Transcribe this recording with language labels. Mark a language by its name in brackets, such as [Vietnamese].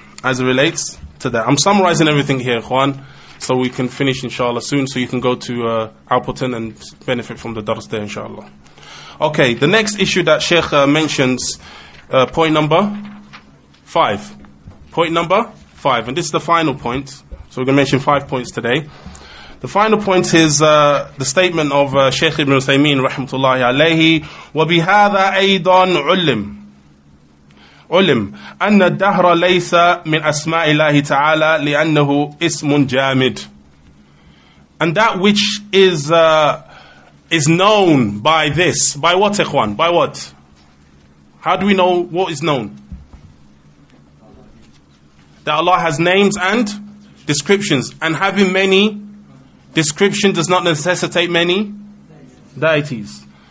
[English] As it relates to that. I'm summarizing everything here, Juan, so we can finish inshallah soon, so you can go to Appleton and benefit from the dars there inshallah. Okay, the next issue that Sheikh mentions, point number five, and this is the final point. So we're going to mention 5 points today. The final point is the statement of Sheikh Ibn Uthaymeen rahmatullahi alayhi, [Arabic] وَبِهَذَا أَيْضًا عُلِّمْ علم أن الدهر ليس من أسماء الله تعالى لأنه اسم جامد. [English] And that which is known by this, by what, Ikhwan? By what? How do we know what is known? That Allah has names and descriptions, and having many description does not necessitate many deities.